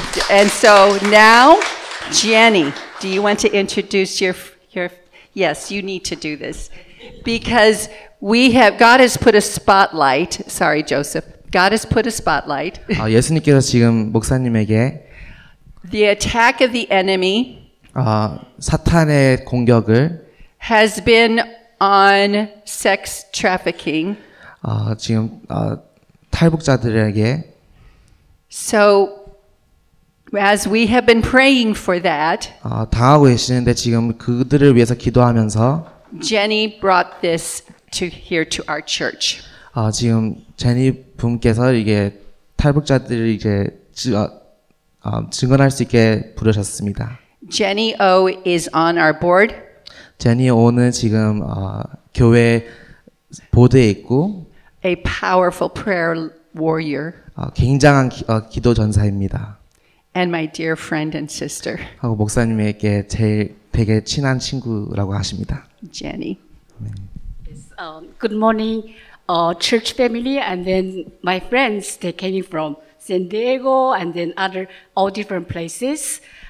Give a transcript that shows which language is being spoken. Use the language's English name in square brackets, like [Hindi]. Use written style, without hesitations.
[English] And so now, Jenny, do you want to introduce your? Yes, you need to do this, because we have God has put a spotlight. Sorry, Joseph. God has put a spotlight. [Korean] 아 예수님께서 지금 목사님에게 [English] the attack of the enemy. [Korean] 아 사탄의 공격을 [English] has been on sex trafficking. [Korean] 아 지금 탈북자들에게 [English] So, as we have been praying for that, [Korean] 당하고 계시는데 지금 그들을 위해서 기도하면서 [English] Jenny brought this to here to our church. [Korean] 지금 제니 분께서 이게 탈북자들을 이제 증언할 수 있게 부르셨습니다. [English] Jenny O is on our board. [Korean] Jenny O는 지금 교회 보드에 있고 [English] A powerful prayer warrior. [Korean] 굉장한 기도 전사입니다. [English] And my dear friend and sister. [Korean] 하고 목사님에게 제일 되게 친한 친구라고 하십니다. [English] Jenny. Yes, good morning, church family, and then my friends. They came from San Diego and then other all different places.